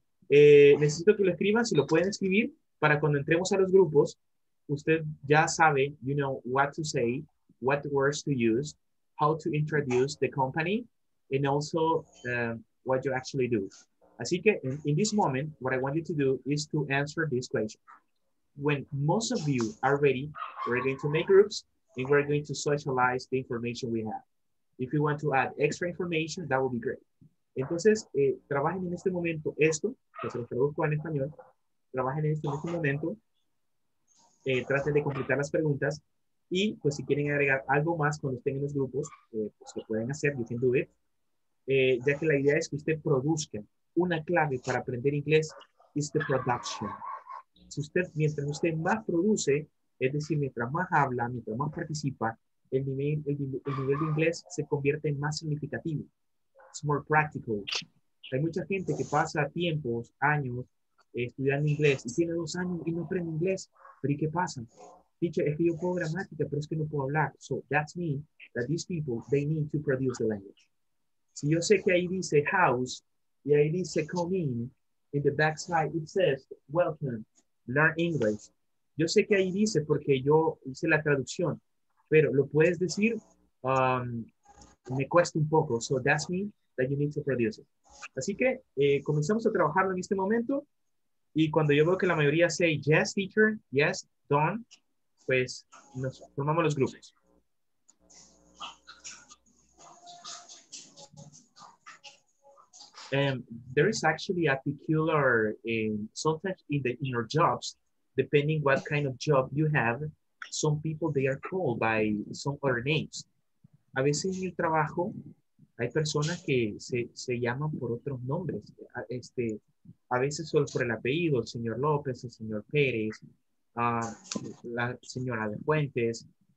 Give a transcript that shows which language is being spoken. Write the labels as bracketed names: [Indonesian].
[Spanish] Necesito que lo escriban, si lo pueden escribir, para cuando entremos a los grupos, usted ya sabe, [English] you know, what to say, what words to use, how to introduce the company, and also what you actually do. [Spanish] Así que, [English] in this moment, what I want you to do is to answer this question. When most of you are ready, we're going to make groups, and we're going to socialize the information we have. If you want to add extra information, that would be great. [Spanish] Entonces, trabajen en este momento esto, que se lo traduzco en español, trabajen en este momento, traten de completar las preguntas, y pues si quieren agregar algo más cuando estén en los grupos, pues lo pueden hacer, [English] you can do it, [Spanish] ya que la idea es que usted produzca. Una clave para aprender inglés [English] is the production. [Spanish] Si usted, mientras usted más produce, es decir, mientras más habla, mientras más participa, el nivel de inglés se convierte en más significativo. [English] It's more practical. [Spanish] Hay mucha gente que pasa tiempos, años, estudiando inglés, y tiene 2 años y no aprende inglés. ¿Pero y qué pasa? Dicho, es que yo puedo gramática, pero es que no puedo hablar. [English] So, that's mean that these people, they need to produce the language. [Spanish] Si yo sé que ahí dice [English] house, y ahí dice, come in the back side, it says, welcome, learn English. [Spanish] Yo sé que ahí dice, porque yo hice la traducción, pero lo puedes decir, me cuesta un poco. [English] So that's me that you need to produce it. [Spanish] Así que comenzamos a trabajarlo en este momento. Y cuando yo veo que la mayoría [English] say, yes, teacher, yes, done, [Spanish] pues nos formamos los grupos. [English] There is actually a peculiar sometimes in your jobs, depending what kind of job you have, some people they are called by some other names. [Spanish] A veces en el trabajo hay personas que se llaman por otros nombres. A veces solo por el apellido, el señor López, el señor Pérez, la señora de Fuentes.